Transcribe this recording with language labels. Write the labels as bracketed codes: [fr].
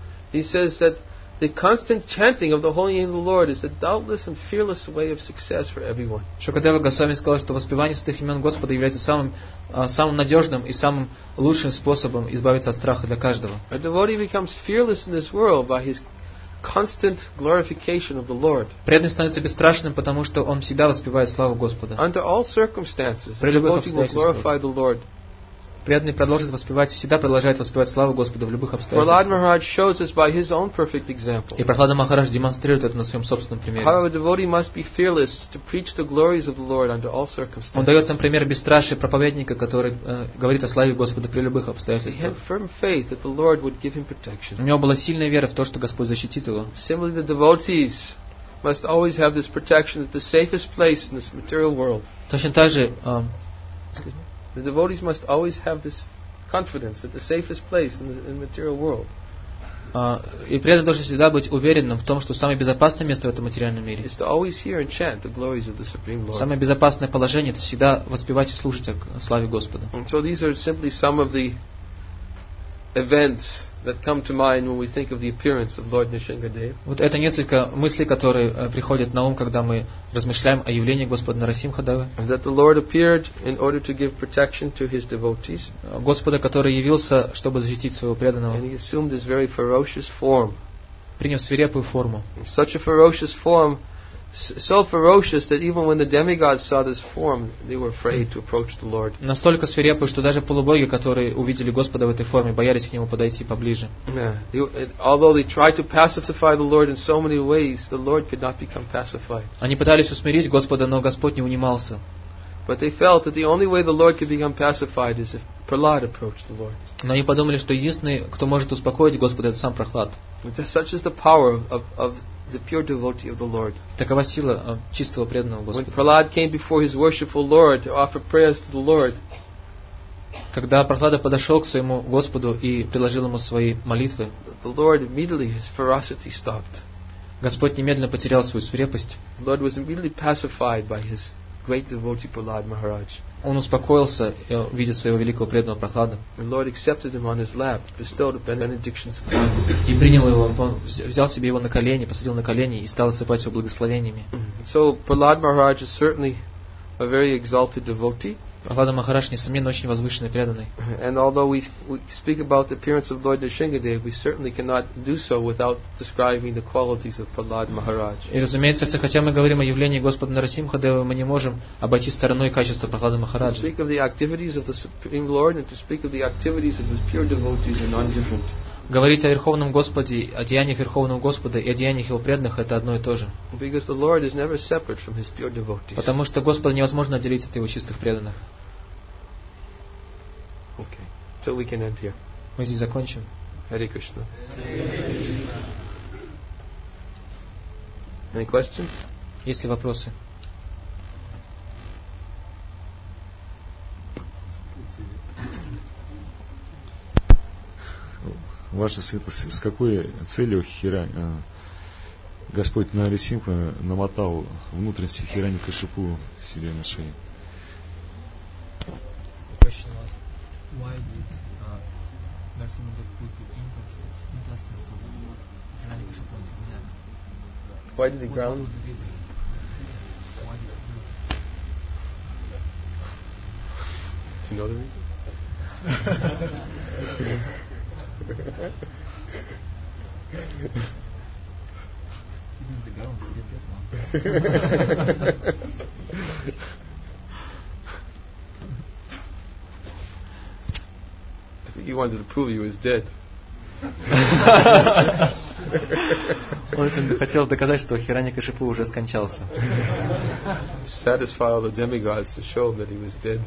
[en] He says that the constant chanting of the holy name of the Lord is the doubtless and fearless way of success for everyone. [ru] Шукадева Госвами сказал, что воспевание святых имен Господа является самым надежным и самым лучшим способом избавиться от страха для каждого. [en] A devotee becomes fearless in this world by his constant glorification of the Lord. [ru] Преданный становится бесстрашным, потому что он всегда воспевает славу Господа. [en] Under all circumstances, the devotee will glorify the Lord. [ru] Преданный продолжит воспевать, всегда продолжает воспевать славу Господа в любых обстоятельствах. [en] Prahlada Maharaj shows us by his own perfect example. [ru] И Прохлада Махарадж демонстрирует это на своем собственном примере. [en] How a devotee must be fearless to preach the glories of the Lord under all circumstances. [ru] Он дает нам пример бесстрашия проповедника, который говорит о славе Господа при любых обстоятельствах. [en] He had firm faith that the Lord would give him protection. [ru] У него была сильная вера в то, что Господь защитит его. [en] Similarly, the devotees must always have this protection at the safest place in this material world. [ru] Точно так же. [en] The devotees must always have this confidence that the safest place in the material world. [ru] И преданный должен всегда быть уверенным в том, что самое безопасное место в этом материальном мире. [en] Is to always hear and chant the glories of the Supreme Lord. [ru] Самое безопасное положение – это всегда воспевать и слушать о славе Господа. [en] And so these are simply some of the events that come to mind when we think of the appearance of Lord Nrisimhadeva. [ru] Вот это несколько мыслей, которые приходят на ум, когда мы размышляем о явлении Господа Нарасимхадевы. [en] That the Lord appeared in order to give protection to his devotees. [ru] Господа, который явился, чтобы защитить своего преданного. [en] And he assumed this very ferocious form. [ru] Принял свирепую форму. [en] Such a ferocious form, so ferocious that even when the demigods saw this form, they were afraid to approach the Lord. [ru] Настолько свирепый, что даже полубоги, которые увидели Господа в этой форме, боялись к нему подойти поближе. [en] Although they tried to pacify the Lord in so many ways, the Lord could not become pacified. [ru] Они пытались усмирить Господа, но Господь не унимался. [en] But they felt that the only way the Lord could become pacified is if Prahlad approached the Lord. [ru] Но они подумали, что единственный, кто может успокоить Господа, это сам Прохлад. [en] Such is the power of the pure devotee of the Lord. [ru] Такова сила чистого преданного Господа. [en] When Prahlad came before his worshipful Lord to offer prayers to the Lord, [ru] когда Прохлада подошел к своему Господу и приложил ему свои молитвы, [en] the Lord immediately his ferocity stopped. [ru] Господь немедленно потерял свою свирепость. [en] The Lord was immediately pacified by his great devotee Prahlad Maharaj. [ru] Он успокоился, видя своего великого преданного Прохлада. [en] The Lord accepted him on his lap, bestowed benedictions. [ru] И принял его, взял себе его на колени, посадил на колени и стал осыпать его благословениями. [en] So Prahlad Maharaj is certainly a very exalted devotee. [ru] Прохлада Махарадж несомненно очень возвышенный преданный. [en] And although we speak about the appearance of Lord Nrisimhadeva, we certainly cannot do so without describing the qualities of Prahlad Maharaj. [ru] И разумеется, хотя мы говорим о явлении Господа Нарасимхадевы, мы не можем обойти стороной качества Прохлады Махараджа. [en] To speak of the activities of the Supreme Lord and to speak of the activities of his pure devotees are non-different. [ru] Говорить о Верховном Господе, о деяниях Верховного Господа и о деяниях Его преданных – это одно и то же. [en] Because the Lord is never separate from His pure devotees. [ru] Потому что Господа невозможно отделить от Его чистых преданных. [en] Okay. So we can end here. [ru] Мы здесь закончим. [en] Hare Krishna. Hare Krishna. Any questions? [ru] Есть ли вопросы? Ваша светлость, с какой целью Господь Нарасимха намотал внутренности Хирани Кашипу себе на шее? [en] Question was, why did Нарасимха put the intestines of Хирани Кашипу on his neck? Why did he ground? Why did he do? Do you know the reason? Keeping the ground, get that one. think he wanted to prove he was dead. [ru] Он хотел доказать, что Хирани Кашипу уже скончался. [en] Satisfy all the demigods to show that he was dead.